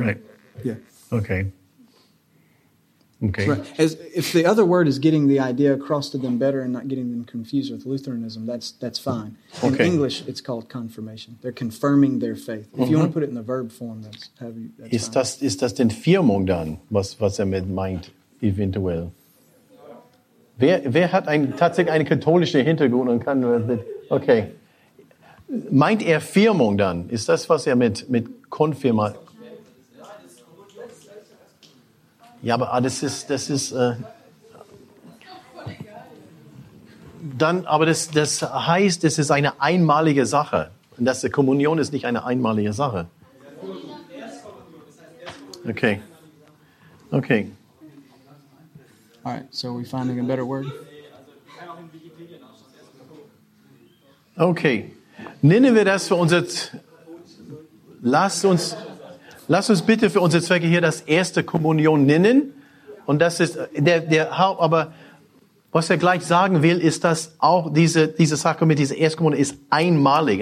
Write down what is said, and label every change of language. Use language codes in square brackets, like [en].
[en] Right. Yeah. Okay. Okay. Right. As if the other word is getting the idea across to them better and not getting them confused with Lutheranism, that's fine. In okay. English, it's called confirmation. They're confirming their faith. If you want to put it in the verb form, that's how you. That's [de] ist das fine. Ist das denn Firmung dann, was mit meint eventuell? Wer hat tatsächlich einen katholischen Hintergrund und kann okay meint Firmung dann? Ist das was mit Konfirma? Ja, aber das ist dann aber das heißt, es ist eine einmalige Sache. Und das die Kommunion ist nicht eine einmalige Sache. Okay. Okay. [en] All right, so are we finding a better word? Okay. [de] Nennen wir das für unser lass uns bitte für unsere Zwecke hier das erste Kommunion nennen. Und das ist der Haupt, aber was er gleich sagen will, ist, dass auch diese Sakrament, diese Erstkommunion ist einmalig.